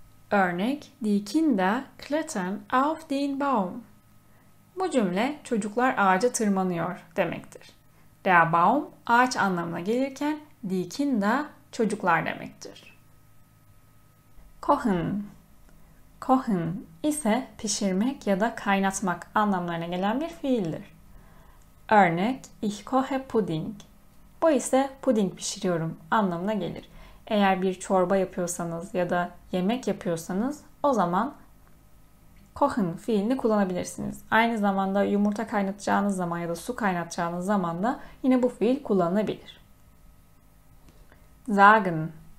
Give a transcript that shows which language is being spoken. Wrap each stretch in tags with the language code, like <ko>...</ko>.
<tr>Örnek:</tr> <de>Die Kinder klettern auf den Baum.</de> <tr>Bu cümle çocuklar ağaca tırmanıyor demektir. Der Baum ağaç anlamına gelirken die Kinder çocuklar demektir. Kochen. Kochen ise pişirmek ya da kaynatmak anlamlarına gelen bir fiildir. Örnek:</tr> <de>Ich koche Pudding.</de> <tr>Bu ise puding pişiriyorum anlamına gelir. Eğer bir çorba yapıyorsanız ya da yemek yapıyorsanız o zaman kochen fiilini kullanabilirsiniz. Aynı zamanda yumurta kaynatacağınız zaman ya da su kaynatacağınız zaman da yine bu fiil kullanılabilir. Sagen.</tr>